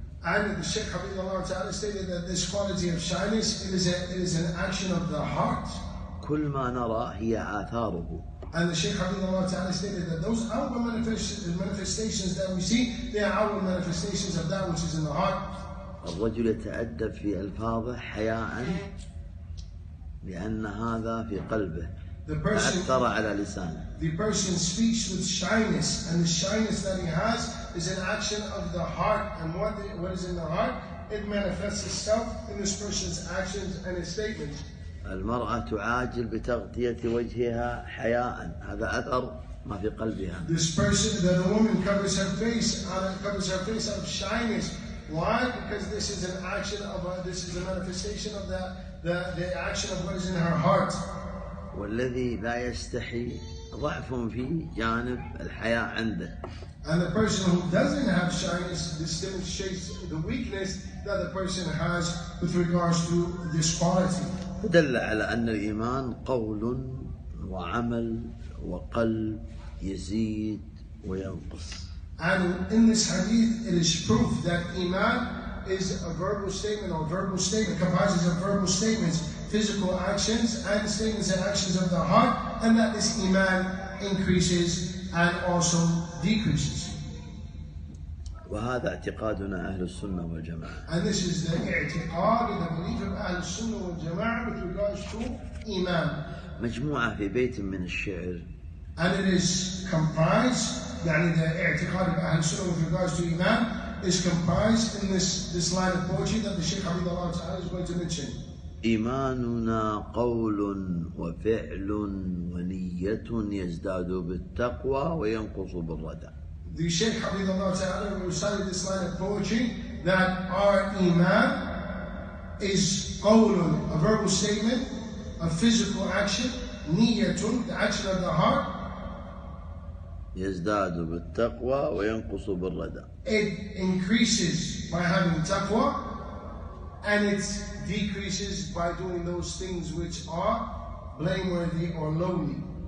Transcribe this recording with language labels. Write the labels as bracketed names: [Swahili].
[English] And the Shaykh Hafidhullah Ta'ala stated that this quality of shyness it is an action of the heart. [Arabic] كل ما نرى هي آثاره. [English] And the Shaykh Hafidhullah Ta'ala stated that those outward manifestations that we see, they are outward manifestations of that which is in the heart. [Arabic] الرجل يتأدب في ألفاظه حياء لأن هذا في قلبه أثر على لسانه. [English] The person speaks with shyness, and the shyness that he has is an action of the heart. And what is in the heart? It manifests itself in this person's actions and his statements. [Arabic] المرأة تعاجل بتغطية وجهها حياء، هذا أثر ما في قلبها. [English] This person, that a woman covers her face, covers her face out of shyness. Why? Because this is an action of this is a manifestation of the action of what is in her heart. [Arabic] والذي لا يستحي ضعف في جانب الحياء عنده. [English] And the person who doesn't have shyness demonstrates the weakness that the person has with regards to this quality. [Arabic] دل على أن الإيمان قول وعمل وقلب يزيد وينقص. [English] And in this hadith, it is proof that iman is a verbal statement or verbal statement comprises of verbal statements, physical actions, and statements and actions of the heart, and that this iman increases and also decreases. [Arabic] وهذا اعتقادنا أهل السنة والجماعة. [English] And this is the اعتقاد and the belief of [Arabic] أهل السنة والجماعة [English] with regards to iman. [Arabic] مجموعة في بيت من الشعر. [English] And it is comprised. [Arabic] يعني [English] the اعتقاد of [Arabic] أهل السنة [English] with regards to iman is comprised in this line of poetry that the Sheikh [Arabic] حفظه الله تعالى [English] is going to mention. [Arabic] إيماننا قول وفعل ونية يزداد بالتقوى وينقص بالردى. [English] The Shaykh Habibullah Ta'ala recited this line of poetry that our iman is qawlun, a verbal statement, a physical action, niyatun, the action of the heart. [Arabic] يزدادُ بالتقوى وينقصُ بالردى. [English] It increases by having taqwa and it decreases by doing those things which are blameworthy or lowly.